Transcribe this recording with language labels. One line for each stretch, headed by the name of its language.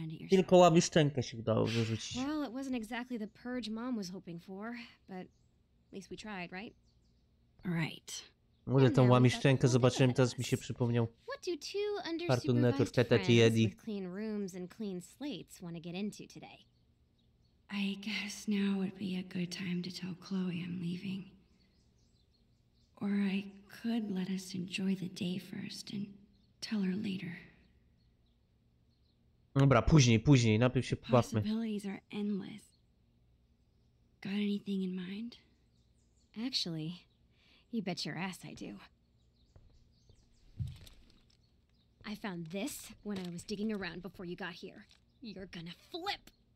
Polish: Tylko łami szczękę się udało wyrzucić.
English: Well, it wasn't exactly the purge mom was hoping for, but at least we tried, right? Right.
Polish: Mówię tą łami szczękę, zobaczyłem, teraz mi się przypomniał. Cartoon Network, Teta i Eddie.
English: With clean rooms and clean slates want to get into today. I guess now would be a good time to tell Chloe I'm leaving. Or I could let us enjoy the day first and tell her later.
Polish: Dobra, później, najpierw się pobawmy.
English: Possibilities are endless. Got anything in mind? Actually, you bet your ass I do. I found this when I was digging around before you got here. You're gonna flip!